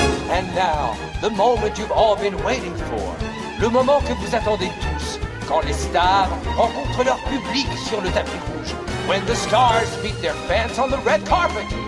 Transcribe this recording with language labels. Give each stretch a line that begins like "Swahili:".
English: And now, the moment you've all been waiting for.
French: Le moment que vous attendez tous. Quand les stars rencontrent leur public sur le tapis rouge.
English: When the stars meet their fans on the red carpet.